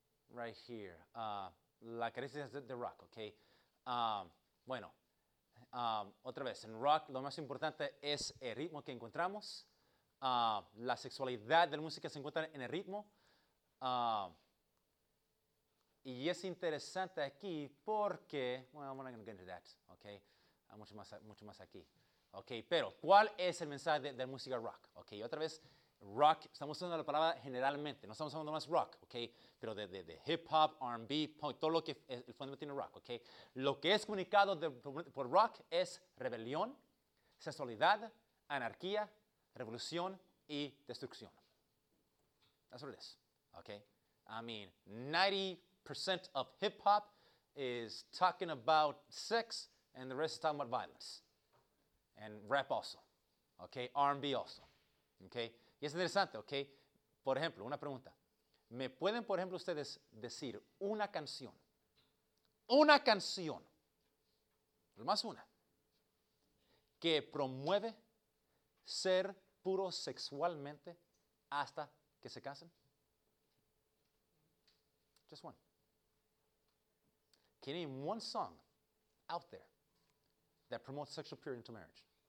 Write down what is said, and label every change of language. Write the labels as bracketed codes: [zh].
[en] Right here. [es] La carencia de rock, okay? Bueno, otra vez, en rock lo más importante es el ritmo que encontramos. La sexualidad de la música se encuentra en el ritmo. Y es interesante aquí porque, [en] well, I'm not going to get into that, okay? [es] Mucho más aquí. Okay, pero, ¿cuál es el mensaje de la música rock? Okay, otra vez, rock, estamos usando la palabra generalmente, no estamos usando más rock, okay? Pero de hip-hop, R&B, punk, todo lo que es, el fondo tiene rock, okay? Lo que es comunicado por rock es rebelión, sexualidad, anarquía, revolución y destrucción. [en] That's what it is, okay? I mean, 90% of hip-hop is talking about sex, and the rest is talking about violence. And rap also, okay? R&B also, okay? [es] Y es interesante, [en] okay? [es] Por ejemplo, una pregunta. ¿Me pueden, por ejemplo, ustedes decir una canción? Una canción. Más una. Que promueve ser puro sexualmente hasta que se casen. [en] Just one. Can you name one song out there that promotes sexual purity into marriage?